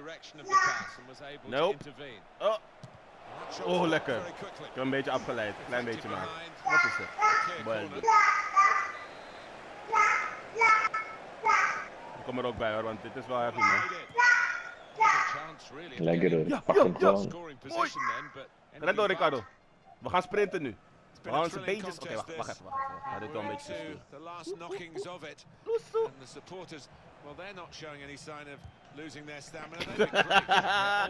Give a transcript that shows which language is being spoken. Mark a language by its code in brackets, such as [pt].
[en] direction of the pass and was able to intervene. [nl] Oh, lekker. Ik heb een beetje afgeleid. Klein beetje maar. Wat is het? Ik kom er ook bij hoor, want dit is wel erg goed. Lekker hoor. Pak hem gewoon. Red door, Ricardo. We gaan sprinten nu. Barnes een beetje... Oké, wacht even. Hij doet wel een beetje zo. [en] The last knockings of it. And the supporters, well, they're not showing any sign of losing their stamina.